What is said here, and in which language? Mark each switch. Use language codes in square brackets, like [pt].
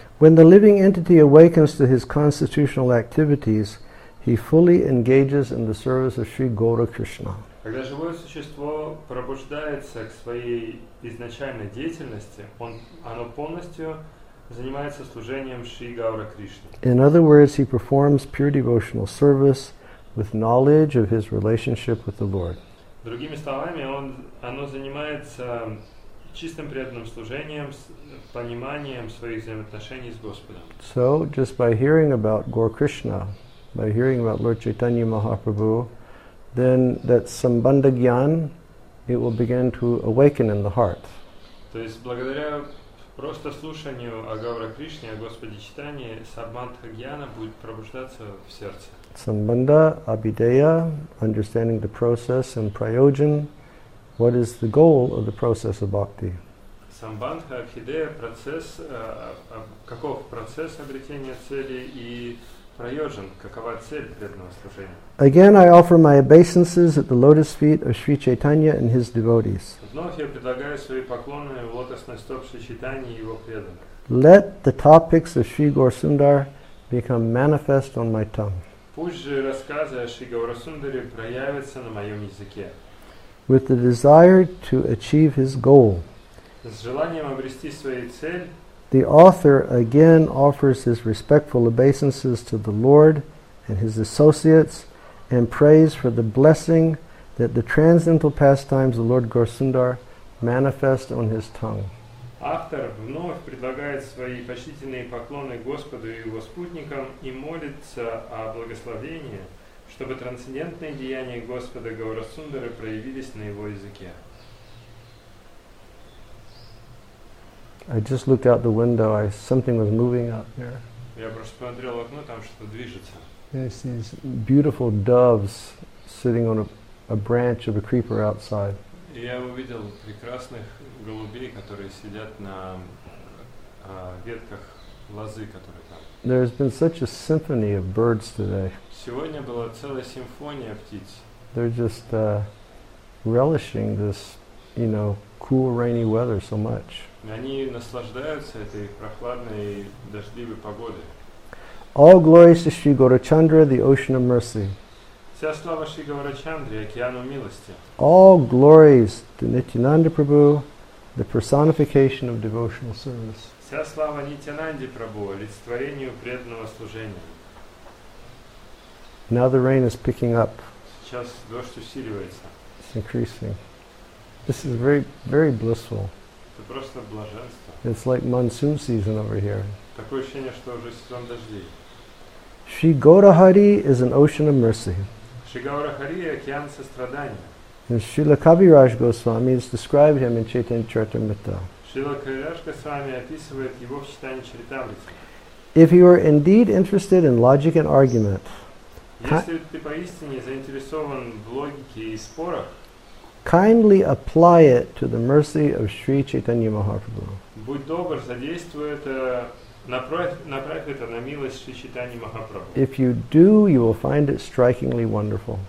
[en] When the living entity awakens to his constitutional activities, he fully engages in the service of Sri Gaura Krishna. [ru] Когда живое существо пробуждается к своей изначальной деятельности, оно полностью занимается служением Шри Гаура Кришны. [en] In other words, he performs pure devotional service with knowledge of his relationship with the Lord. [ru] Другими словами, оно занимается чистым преданным служением, пониманием своих взаимоотношений с Господом. [en] So, just by hearing about Gaura Krishna, by hearing about Lord Chaitanya Mahaprabhu, then that sambandha gyan, it will begin to awaken in the heart. [ru] То есть благодаря просто слушанию о Гауре Кришне, о Господе Читании, самбандха гьяна будет пробуждаться в сердце. [en] Sambandha, abhideya, understanding the process, and prayojan, what is the goal of the process of bhakti? [ru] Sambandha, abhideya, процесс, каков процесс обретения цели и prayojan, какова цель преданного служения? [en] Again, I offer my obeisances at the lotus feet of Sri Chaitanya and his devotees. [ru] Вновь я предлагаю свои поклоны в лотосный стоп Шри Чайтаньи и его преданных. [en] Let the topics of Sri Gaurasundara become manifest on my tongue. [ru] Пусть же рассказы о Шри Гаурасундаре проявятся на моем языке. [en] With the desire to achieve his goal, [ru] с желанием обрести свою цель, [en] the author again offers his respectful obeisances to the Lord and his associates and prays for the blessing that the transcendental pastimes of Lord Gaurasundara manifest on his tongue. [ru] Автор вновь предлагает свои почтительные поклоны Господу и его спутникам и молится о благословении, чтобы трансцендентные деяния Господа Гаурасундары проявились на его языке. [en] I just looked out the window. Something was moving out there. [ru] Я просто смотрел в окно, там что-то движется. [en] There's these beautiful doves sitting on a branch of a creeper outside. [ru] Я увидел прекрасных голубей, которые сидят на ветках лозы, которые там. [en] There has been such a symphony of birds today. [ru] Сегодня была целая симфония птиц. [en] They're just relishing this, you know, cool rainy weather so much. [ru] Они наслаждаются этой прохладной дождливой погодой. [en] All glories to Sri Gaurachandra, the ocean of mercy. [ru] Вся слава Шри Гаурачандре, океану милости. [en] All glories to Nityananda Prabhu, the personification of devotional service. [ru] Вся слава Нитянанде Прабху, олицетворению преданного служения. [en] Now the rain is picking up. [ru] Сейчас дождь усиливается. [en] It's increasing. This is very, very blissful. [ru] Это просто блаженство. [en] It's like monsoon season over here. [ru] Такое ощущение, что уже сезон дождей. [en] Shri Gaurahari is an ocean of mercy. [ru] Shri Gaurahari – океан сострадания. [en] And Srila Kaviraj Goswami has described him in Chaitanya Charitamrita. [ru] Srila Kaviraj Goswami описывает его в Chaitanya Charitamrita. [en] If you are indeed interested in logic and argument, [ru] если ты поистине заинтересован в логике и спорах, [en] kindly apply it to the mercy of Sri Chaitanya Mahaprabhu. [ru] Будь добр, задействуй это, направь это на милость Шри Чайтаньи Махапрабху. [en] If you do, you will find it strikingly wonderful.